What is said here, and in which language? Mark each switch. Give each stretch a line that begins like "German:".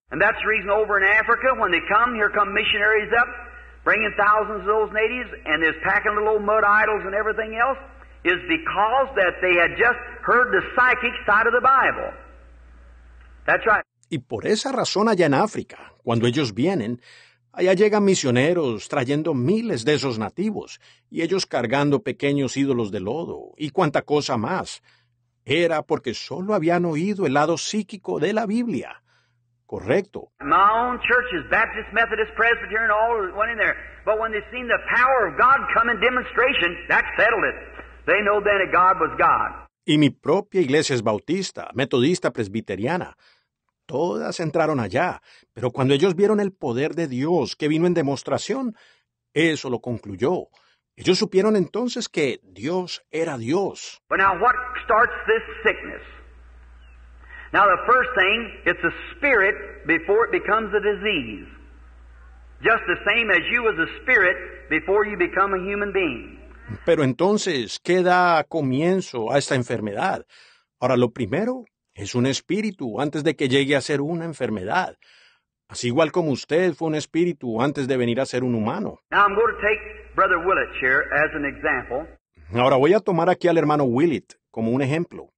English: And that's the reason over in Africa, when they come, here come missionaries up, bringing thousands of those natives, and they're packing little old mud idols and everything else, is because that they had just heard the psychic side of the Bible. That's right.
Spanish: Y por esa razón allá en África, cuando ellos vienen, allá llegan misioneros trayendo miles de esos nativos y ellos cargando pequeños ídolos de lodo y cuanta cosa más. Era porque solo habían oído el lado psíquico de la Biblia. Correcto.
English: My own churches, Baptist, Methodist, Presbyterian, all went in there. But when they seen the power of God come in demonstration, that settled it. They know then that God was God.
Spanish: Y mi propia iglesia es bautista, metodista, presbiteriana. Todas entraron allá, pero cuando ellos vieron el poder de Dios que vino en demostración, eso lo concluyó. Ellos supieron entonces que Dios era Dios.
English: But now what starts this sickness? Now the first thing, it's a spirit before it becomes a disease. Just the same as you as a spirit before you become a human being.
Spanish: Pero entonces, ¿qué da comienzo a esta enfermedad? Ahora, lo primero es un espíritu antes de que llegue a ser una enfermedad. Así igual como usted fue un espíritu antes de venir a ser un humano.
English: Now I'm going to take Brother Willett here as an example.
Spanish: Ahora voy a tomar aquí al hermano Willett como un ejemplo.